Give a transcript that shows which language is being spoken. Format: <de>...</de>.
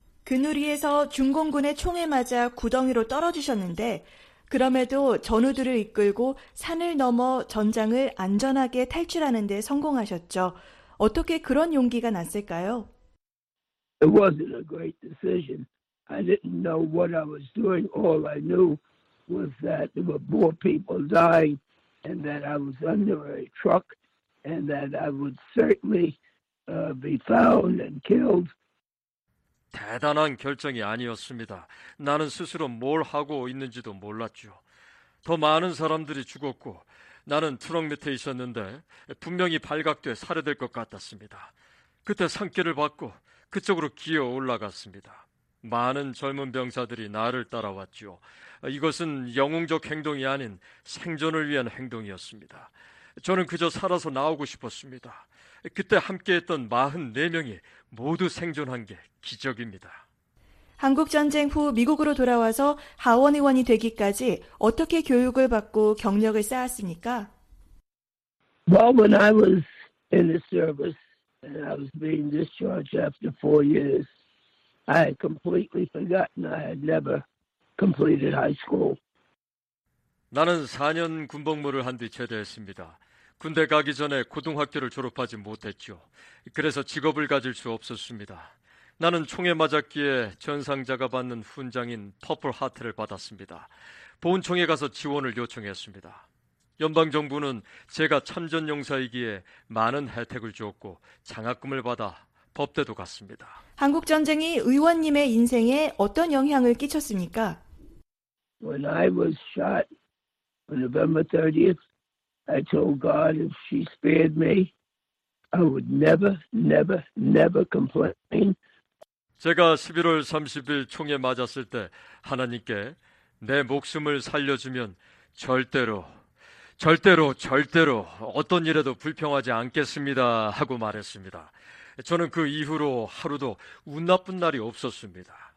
<ko>그 누리에서 중공군의 총에 맞아 구덩이로 떨어지셨는데 그럼에도 전우들을 이끌고 산을 넘어 전장을 안전하게 탈출하는 데 성공하셨죠. 어떻게 그런 용기가 났을까요?</ko> <en>It wasn't a great decision. I didn't know what I was doing. All I knew was that there were more people dying and that I was under a truck and that I would certainly be found and killed.</en> <ko>대단한 결정이 아니었습니다. 나는 스스로 뭘 하고 있는지도 몰랐죠. 더 많은 사람들이 죽었고 나는 트럭 밑에 있었는데 분명히 발각돼 살해될 것 같았습니다. 그때 산길을 받고 그쪽으로 기어 올라갔습니다. 많은 젊은 병사들이 나를 따라왔죠. 이것은 영웅적 행동이 아닌 생존을 위한 행동이었습니다. 저는 그저 살아서 나오고 싶었습니다. 그때 함께했던 44명이 모두 생존한 게 기적입니다. 한국전쟁 후 미국으로 돌아와서 하원의원이 되기까지 어떻게 교육을 받고 경력을 쌓았습니까?</ko> <en>Well, when I was in the service and I was being discharged after 4 years, I had completely forgotten I had never completed high school.</en> <ko>나는 4년 군복무를 한 뒤 제대했습니다. 군대 가기 전에 고등학교를 졸업하지 못했죠. 그래서 직업을 가질 수 없었습니다. 나는 총에 맞았기에 전상자가 받는 훈장인 퍼플 하트를 받았습니다. 보훈청에 가서 지원을 요청했습니다. 연방정부는 제가 참전용사이기에 많은 혜택을 주었고 장학금을 받아 법대도 갔습니다. 한국전쟁이 의원님의 인생에 어떤 영향을 끼쳤습니까?</ko> <en>When I was shot on November 30th, I told God if she spared me, I would never, never, never complain.</en> <ko>제가 11월 30일 총에 맞았을 때 하나님께 내 목숨을 살려주면 절대로, 절대로, 절대로 어떤 일에도 불평하지 않겠습니다 하고 말했습니다. 저는 그 이후로 하루도 운 나쁜 날이 없었습니다.</ko>